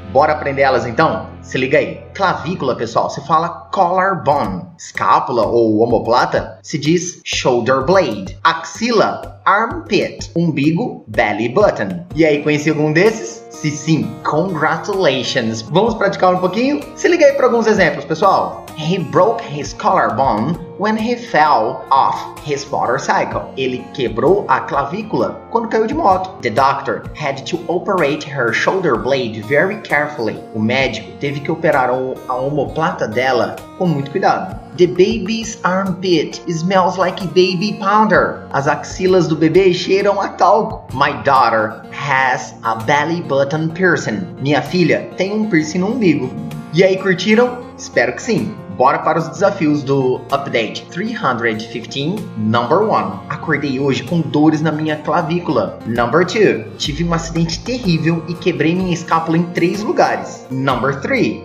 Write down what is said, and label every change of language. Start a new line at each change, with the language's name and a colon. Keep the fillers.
Portuguese: Bora aprender elas então? Se liga aí. Clavícula, pessoal, se fala collarbone. Escápula ou omoplata se diz shoulder blade. Axila, armpit. Umbigo, belly button. E aí, conheci algum desses? Se sim, congratulations. Vamos praticar um pouquinho? Se liga aí para alguns exemplos, pessoal.
English: He broke his collarbone when he fell off his motorcycle.
Portuguese: Ele quebrou a clavícula quando caiu de moto.
English: The doctor had to operate her shoulder blade very carefully.
Portuguese: O médico teve que operar a omoplata dela com muito cuidado.
English: The baby's armpit smells like baby powder.
Portuguese: As axilas do bebê cheiram a talco.
English: My daughter has a belly button piercing.
Portuguese: Minha filha tem um piercing no umbigo. E aí, curtiram? Espero que sim. Bora para os desafios do Update 315, Number 1. Acordei hoje com dores na minha clavícula. Number 2. Tive um acidente terrível e quebrei minha escápula em três lugares. Number 3.